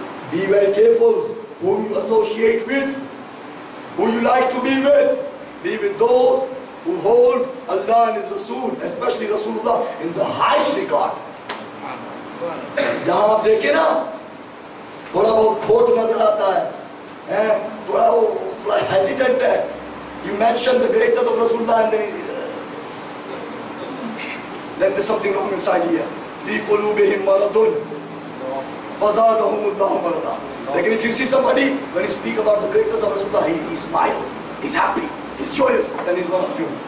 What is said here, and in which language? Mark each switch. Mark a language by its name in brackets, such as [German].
[English] Be very careful whom you associate with, who you like to be with. Be with those who hold Allah and His Rasul, especially Rasulullah, in the highest regard. [Urdu] جہاں آپ دیکھیں نا تھوڑا بہت کھوٹ نظر آتا ہے تھوڑا ہیزیٹنٹ ہے [English] You mention the greatness of Rasulullah and then he says, then there's something wrong inside here. [Arabic] Fi qulubihim maradun. Fazadahum Allahu marada. [English] Like if you see somebody, when you speak about the greatness of Rasulullah, he smiles, he's happy, he's joyous, then he's one of you.